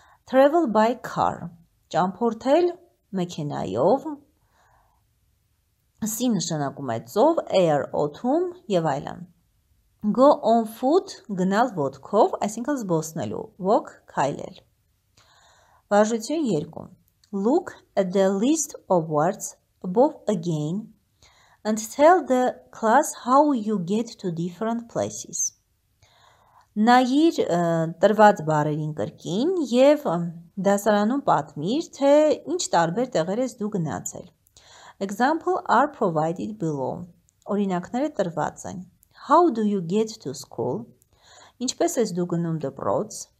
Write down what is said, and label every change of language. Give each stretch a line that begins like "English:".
English: Travel by car.
Armenian: Ճամփորդել մեքենայով. See նշանակում է ծով, air օդում եւ այլն.
English: Go on foot,
Armenian: գնալ ոտքով, այսինքն զբոսնելու, walk, քայլել. Վարժություն 2.
English: Look at the list of words above again and tell the class how you get to different places.
Armenian: Նայիր տրված բառերին կրկին եւ դասարանում պատմիր, թե ինչ տարբեր տեղեր ես դու գնացել.
English: Examples are provided below.
Armenian: Օրինակները տրված են.
English: How do you get to school?
Armenian: Ինչպես ես դու գնում դպրոց?